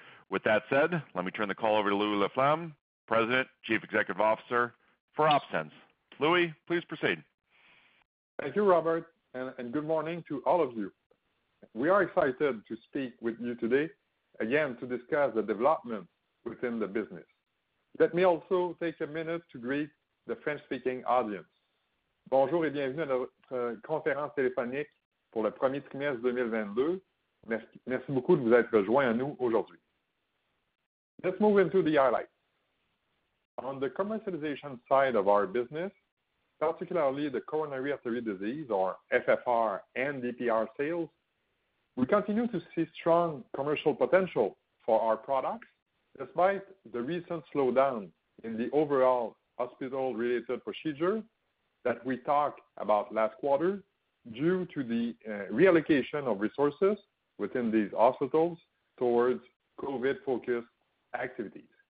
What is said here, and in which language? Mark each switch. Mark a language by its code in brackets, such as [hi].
[en] With that said, let me turn the call over to Louis Laflamme, President, Chief Executive Officer for OpSens. Louis, please proceed. Thank you, Robert, and good morning to all of you. We are excited to speak with you today, again, to discuss the development within the business. Let me also take a minute to greet the French-speaking audience. [fr] Bonjour et bienvenue à notre conférence téléphonique pour le premier trimestre 2022. Merci beaucoup de vous être rejoints à nous aujourd'hui. [en] Let's move into the highlights. On the commercialization side of our business, particularly the coronary artery disease, or FFR and DPR sales, we continue to see strong commercial potential for our products, despite the recent slowdown in the overall hospital-related procedure that we talked about last quarter due to the reallocation of resources within these hospitals towards COVID-focused activities.